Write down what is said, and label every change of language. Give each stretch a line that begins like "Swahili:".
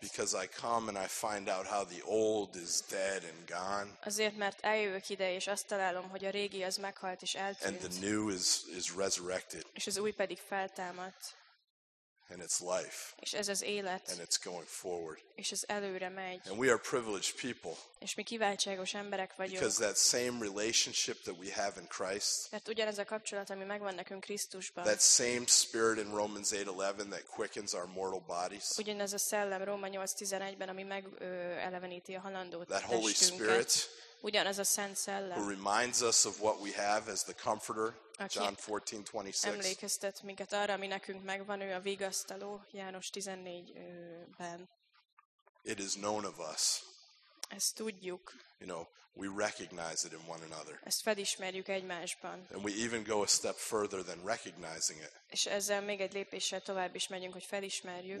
English: Because I come and I find out how the old is dead and gone.
Hungarian: Azért, mert eljövök ide, és azt találom, hogy a régi az meghalt és eltűnt.
English: And the new is resurrected.
Hungarian: És az új pedig feltámadt.
English: And it's life.
Hungarian: És ez az élet.
English: And it's going forward.
Hungarian: És ez előre megy.
English: And we are privileged people.
Hungarian: És mi kiváltságos emberek vagyunk.
English: Because that same relationship that we have in Christ.
Hungarian: Mert ugyanez a kapcsolat, ami megvan nekünk Krisztusban.
English: That same spirit in Romans 8:11 that quickens our mortal bodies.
Hungarian: Ugyanez a szellem Róma 8:11-ben, ami megeleveníti a halandó testünket.
English: That Holy Spirit.
Hungarian: Ugyanez a Szent Szellem.
English: Who reminds us of what we have as the Comforter. John 14:26.
Hungarian: Emlékeztet minket arra, ami nekünk megvan, ő a vigasztaló, János 14-ben.
English: It is known of us.
Hungarian: Ezt tudjuk.
English: You know, we recognize it in one another.
Hungarian: Ezt felismerjük egymásban.
English: And we even go a step further than recognizing it.
Hungarian: És ezzel még egy lépéssel tovább is megyünk, hogy felismerjük.